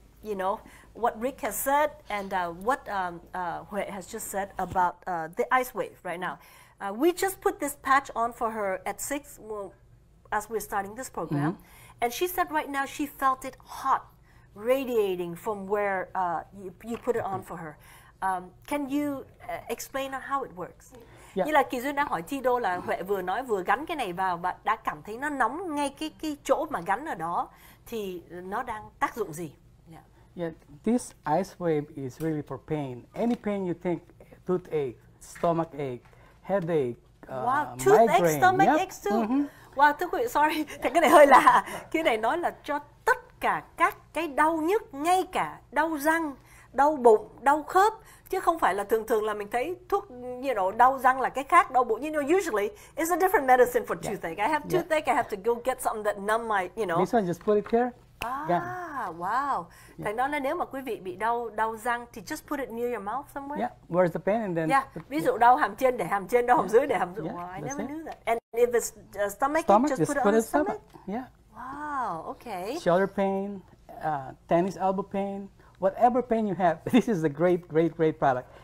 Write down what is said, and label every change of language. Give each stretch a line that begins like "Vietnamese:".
English: you know, what Rick has said and what Huệ has just said about the ice wave right now. We just put this patch on for her at 6, well, as we're starting this program. Mm-hmm. And she said right now she felt it hot, radiating from where you put it on for her. Can you explain how it works?
Vietnamese: Yeah. Như là Kỳ Duyên đã hỏi Thi Đô là Huệ vừa nói vừa gắn cái này vào và đã cảm thấy nó nóng ngay cái chỗ mà gắn ở đó thì nó đang tác dụng gì?
English: Yeah, this ice wave is really for pain. Any pain you think, toothache, stomach ache, headache, wow, migraine. Wow, toothache, stomach aches too. Mm-hmm.
Vietnamese: Wow, thưa quý vị, sorry, thì cái này hơi lạ. Cái này nói là cho tất cả các cái đau nhức, ngay cả đau răng, đau bụng, đau khớp. Chứ không phải là thường thường là mình thấy thuốc, you know, đau răng là cái khác, đau bụng.
English: You know, usually, it's a different medicine for toothache. Yeah. I have toothache, yeah. I have to go get something that numb my, you know. This one, just put it here. Wow.
Vietnamese: Thành đó là nếu mà quý vị bị đau răng thì
English: just put it near your mouth somewhere. Yeah, where's the pain and then...
Vietnamese: Yeah, ví dụ đau hàm trên, để hàm trên, đau hàm dưới, để hàm dưới.
English: Yeah, wow, I never knew that. And if it's stomach, just put it on the stomach? Yeah. Wow, okay. Shoulder pain, tennis elbow pain, whatever pain you have, this is a great, great, great product.